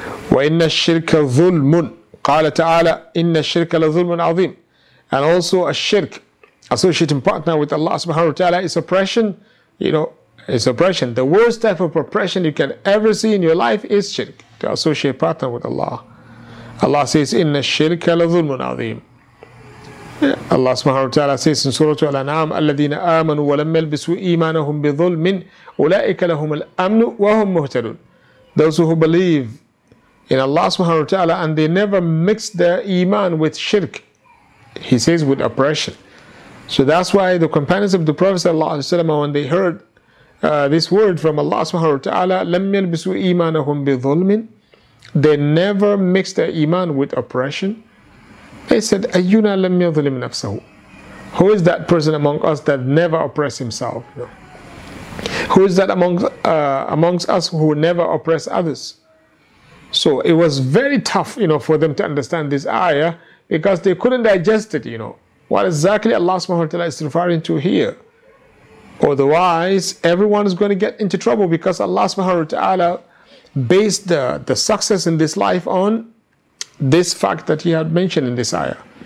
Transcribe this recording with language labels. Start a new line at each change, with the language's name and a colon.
Arabic: وَإِنَّ الشِّرْكَ ظُلْمٌ. قَالَ تَعَالَى إِنَّ الشِّرْكَ لَظُلْمٌ عَظِيمٌ.
English: And also a shirk, associating partner with Allah subhanahu wa ta'ala, is oppression, you know, it's oppression. The worst type of oppression you can ever see in your life is shirk, to associate partner with Allah. Allah says,
Arabic: إِنَّ الشِّرْكَ لَظُلْمٌ عَظِيمٌ.
English: Allah subhanahu wa ta'ala says in Surah Al-An'am,
Arabic: الَّذِينَ آمَنُوا وَلَمْ يَلْبِسُوا إِيمَانَهُمْ بِظُلْمٍ أُولَٰئِكَ لَهُمُ الْأَمْنُ وَهُمْ مُهْتَدُونَ.
English: Those who believe in Allah subhanahu wa ta'ala and they never mix their iman with shirk, he says, with oppression. So that's why the companions of the Prophet sallallahu alaihi wasallam, when they heard this word from Allah subhanahu wa ta'ala,
Arabic: لَمْ يَلْبِسُوا إِيمَانَهُمْ بِظُلْمٍ,
English: they never mixed their iman with oppression. They said,
Arabic: أَيُّنَا لَمْ يَظْلِمْ نَفْسَهُ.
English: Who is that person among us that never oppressed himself? No. Who is that amongst us who never oppress others? So it was very tough, you know, for them to understand this ayah, because they couldn't digest it, you know. What exactly Allah subhanahu wa ta'ala is referring to here? Otherwise, everyone is going to get into trouble, because Allah subhanahu wa ta'ala based the success in this life on this fact that he had mentioned in this ayah.